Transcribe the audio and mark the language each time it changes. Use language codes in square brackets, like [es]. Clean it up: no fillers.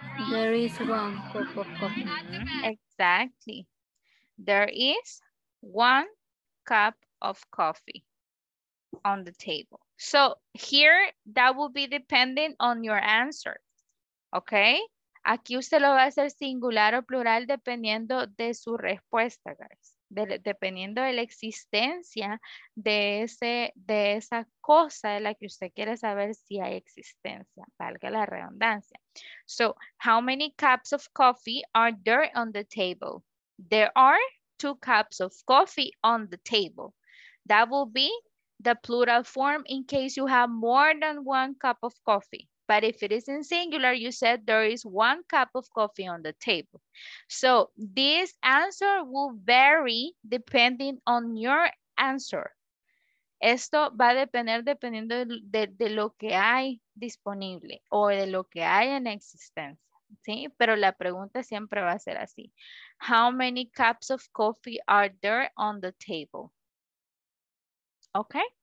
[en] There is 1 cup of coffee. Exactly. There is 1 cup of coffee on the table. So here, that will be depending on your answer. Okay? [es] Aquí usted lo va a hacer singular o plural dependiendo de su respuesta, guys. Dependiendo de la existencia de esa cosa de la que usted quiere saber si hay existencia, valga la redundancia. [en] So, how many cups of coffee are there on the table? There are 2 cups of coffee on the table. That will be the plural form in case you have more than 1 cup of coffee. But if it is in singular, you said there is 1 cup of coffee on the table. So this answer will vary depending on your answer. [es] Esto va a depender dependiendo de lo que hay disponible o de lo que hay en existencia, ¿sí? Pero la pregunta siempre va a ser así. [en] How many cups of coffee are there on the table? Okay.